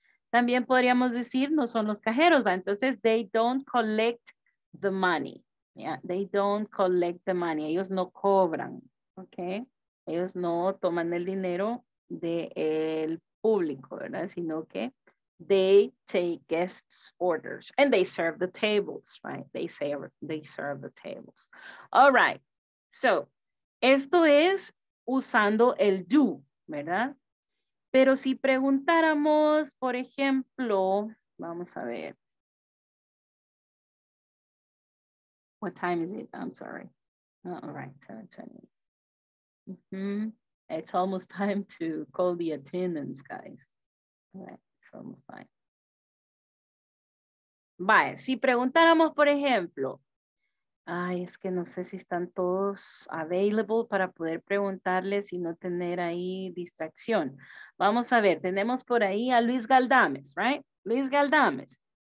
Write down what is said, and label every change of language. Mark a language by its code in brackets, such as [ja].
[es] También podríamos decir, no son los cajeros, ¿va? Entonces, [en] they don't collect the money. Yeah, they don't collect the money. [es] Ellos no cobran, [en] okay? [es] Ellos no toman el dinero del público, ¿verdad? Sino que [en] they take guests' orders and they serve the tables, right? They serve the tables. All right, so [es] esto es usando el do, ¿verdad? Pero si preguntáramos, por ejemplo, vamos a ver. [en] What time is it? I'm sorry. All right, 7:20. It's almost time to call the attendance, guys. All right, it's almost time. [es] Vale, si preguntáramos, por ejemplo, ay, es que no sé si están todos available para poder preguntarles y no tener ahí distracción. Vamos a ver, tenemos por ahí a Luis Galdames, right? Luis Galdames.